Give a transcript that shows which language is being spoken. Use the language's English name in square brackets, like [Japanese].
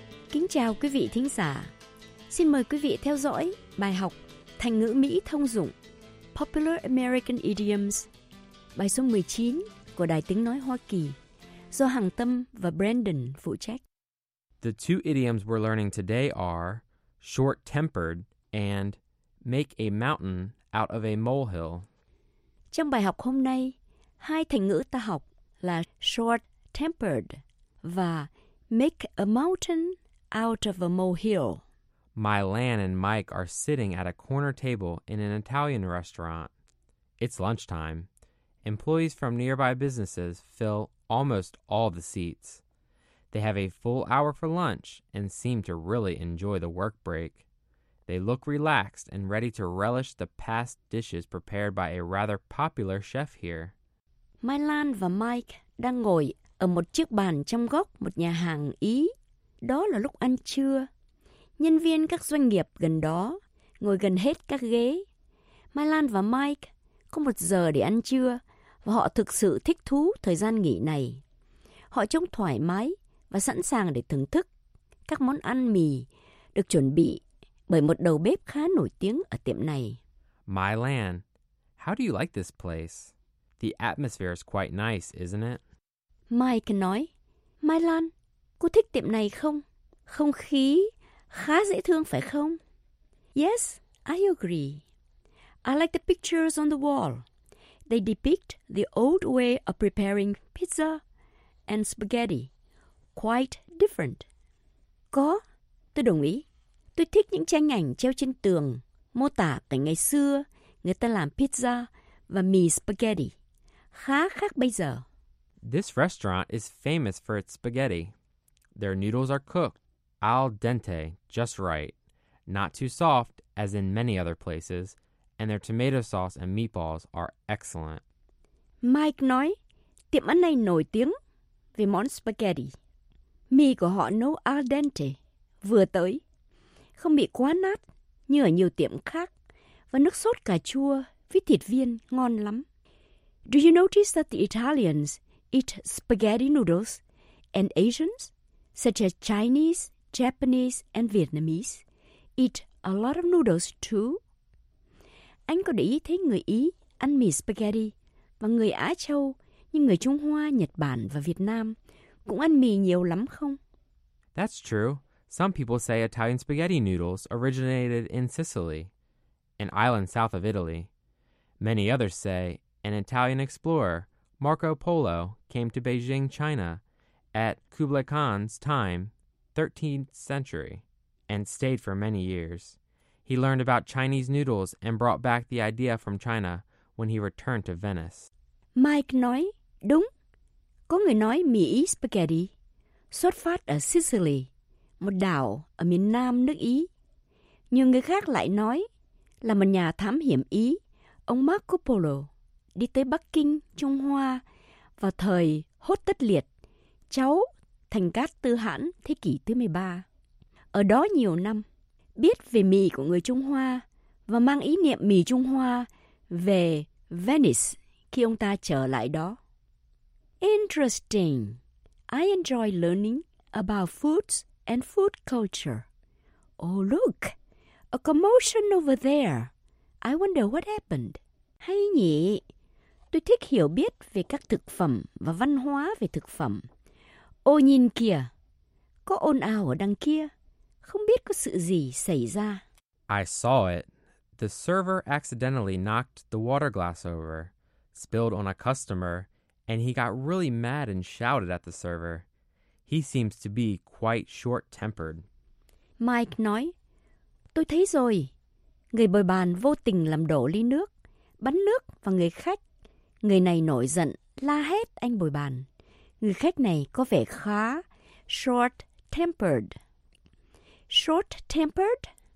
[Vietnamese] Kính chào quý vị thính giả. Xin mời quý vị theo dõi bài học thành ngữ Mỹ thông dụng Popular American Idioms, bài số 19 của Đài Tiếng Nói Hoa Kỳ, do Hằng Tâm và Brandon phụ trách. [English] The two idioms we're learning today are short-tempered and make a mountain out of a molehill. [Vietnamese] Trong bài học hôm nay, hai thành ngữ ta học là short-tempered và [English] make a mountain out of a molehill. Mylan and Mike are sitting at a corner table in an Italian restaurant. It's lunchtime. Employees from nearby businesses fill almost all the seats. They have a full hour for lunch and seem to really enjoy the work break. They look relaxed and ready to relish the past dishes prepared by a rather popular chef here. [Vietnamese] Mylan và Mike đang ngồi ở một chiếc bàn trong góc một nhà hàng Ý. Đó là lúc ăn trưa. Nhân viên các doanh nghiệp gần đó ngồi gần hết các ghế. Mylan và Mike có một giờ để ăn trưa và họ thực sự thích thú thời gian nghỉ này. Họ trông thoải mái và sẵn sàng để thưởng thức các món ăn mì được chuẩn bị bởi một đầu bếp khá nổi tiếng ở tiệm này. [English] Mylan, how do you like this place? The atmosphere is quite nice, isn't it? [Vietnamese] Mike nói, Mylan, cô thích tiệm này không? Không khí khá dễ thương phải không? [English] Yes, I agree. I like the pictures on the wall. They depict the old way of preparing pizza and spaghetti. Quite different. [Vietnamese] Có, tôi đồng ý. Tôi thích những tranh ảnh treo trên tường mô tả cảnh ngày xưa người ta làm pizza và mì spaghetti. Khá khác bây giờ. [English] This restaurant is famous for its spaghetti. Their noodles are cooked al dente, just right. Not too soft, as in many other places. And their tomato sauce and meatballs are excellent. [Vietnamese] Mike nói, tiệm ăn này nổi tiếng vì món spaghetti. Mì của họ nấu al dente, vừa tới. Không bị quá nát như ở nhiều tiệm khác. Và nước sốt cà chua với thịt viên ngon lắm. [English] Do you notice that the Italians eat spaghetti noodles and Asians? Such as Chinese, Japanese, and Vietnamese eat a lot of noodles too. [Vietnamese] Anh có để ý thấy người Ý ăn mì spaghetti và người Á Châu như người Trung Hoa, Nhật Bản và Việt Nam cũng ăn mì nhiều lắm không? [English] That's true. Some people say Italian spaghetti noodles originated in Sicily, an island south of Italy. Many others say an Italian explorer, Marco Polo, came to Beijing, China, at Kublai Khan's time, 13th century, and stayed for many years. He learned about Chinese noodles and brought back the idea from China when he returned to Venice. [Vietnamese] Mike nói, đúng, có người nói mì Ý spaghetti xuất phát ở Sicily, một đảo ở miền nam nước Ý. Nhiều người khác lại nói là một nhà thám hiểm Ý, ông Marco Polo, đi tới Bắc Kinh, Trung Hoa vào thời Hốt Tất Liệt, cháu Thành Cát Tư Hãn thế kỷ thứ 13. Ở đó nhiều năm, biết về mì của người Trung Hoa và mang ý niệm mì Trung Hoa về Venice khi ông ta trở lại đó. [English] Interesting. I enjoy learning about foods and food culture. Oh, look. A commotion over there. I wonder what happened. [Vietnamese] Hay nhỉ? Tôi thích hiểu biết về các thực phẩm và văn hóa về thực phẩm. Ô nhìn kìa, có ồn ào ở đằng kia, không biết có sự gì xảy ra. [English] I saw it. The server accidentally knocked the water glass over, spilled on a customer, and he got really mad and shouted at the server. He seems to be quite short-tempered. [Vietnamese] Mike nói, tôi thấy rồi, người bồi bàn vô tình làm đổ ly nước, bắn nước vào người khách. Người này nổi giận, la hét anh bồi bàn. Người khách này có vẻ khá short-tempered. Short-tempered?